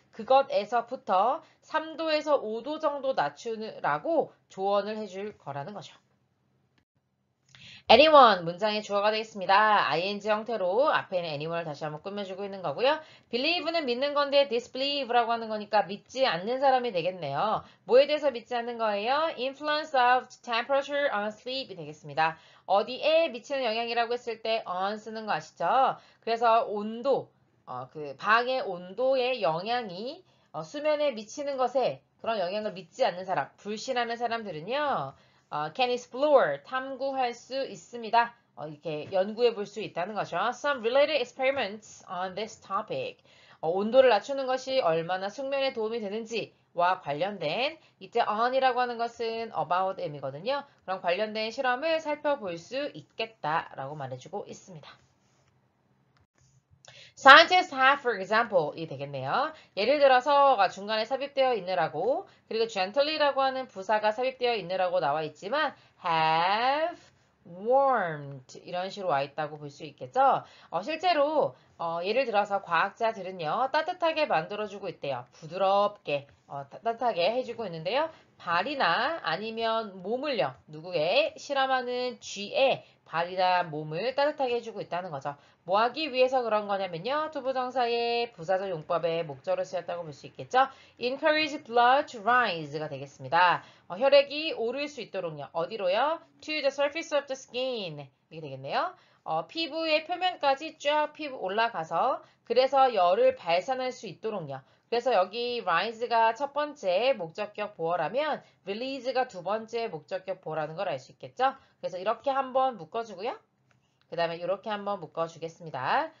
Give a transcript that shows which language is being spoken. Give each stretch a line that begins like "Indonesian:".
Korean: 그것에서부터 3도에서 5도 정도 낮추라고 조언을 해줄 거라는 거죠. Anyone 문장의 주어가 되겠습니다. ing 형태로 앞에 있는 anyone을 다시 한번 꾸며주고 있는 거고요. believe는 믿는 건데 disbelieve라고 하는 거니까 믿지 않는 사람이 되겠네요. 뭐에 대해서 믿지 않는 거예요?
English: influence of temperature on sleep
Korean: 이 되겠습니다. 어디에 미치는 영향이라고 했을 때 on 쓰는 거 아시죠? 그래서 온도, 그 방의 온도의 영향이 수면에 미치는 것에 그런 영향을 믿지 않는 사람, 불신하는 사람들은요.
English: can explore,
Korean: 탐구할 수 있습니다. 이렇게 연구해 볼수 있다는 거죠.
English: Some related experiments on this topic.
Korean: 온도를 낮추는 것이 얼마나 숙면에 도움이 되는지와 관련된, 이때 on이라고 하는 것은 about 의미거든요. 그런 관련된 실험을 살펴볼 수 있겠다라고 말해주고 있습니다.
English: Scientists have, for example이
Korean: 되겠네요. 예를 들어서가 중간에 삽입되어 있느라고, 그리고 gently라고 하는 부사가 삽입되어 있느라고 나와 있지만
English: have warmed
Korean: 이런 식으로 와 있다고 볼수 있겠죠. 실제로 예를 들어서 과학자들은요, 따뜻하게 만들어주고 있대요. 부드럽게 따뜻하게 해주고 있는데요. 발이나 아니면 몸을요, 누구의 실험하는 쥐의 발이나 몸을 따뜻하게 해주고 있다는 거죠. 뭐 하기 위해서 그런 거냐면요, 투부정사의 부사적 용법에 목적을 쓰였다고 볼수 있겠죠.
English: Encourage blood to rise가
Korean: 되겠습니다. 혈액이 오를 수 있도록요. 어디로요?
English: To the surface of the skin
Korean: 이게 되겠네요. 피부의 표면까지 쫙 피부 올라가서 그래서 열을 발산할 수 있도록요. 그래서 여기 rise가 첫 번째 목적격 보어라면 release가 두 번째 목적격 보어라는 걸알수 있겠죠? 그래서 이렇게 한번 묶어주고요. 그 다음에 이렇게 한번 묶어주겠습니다.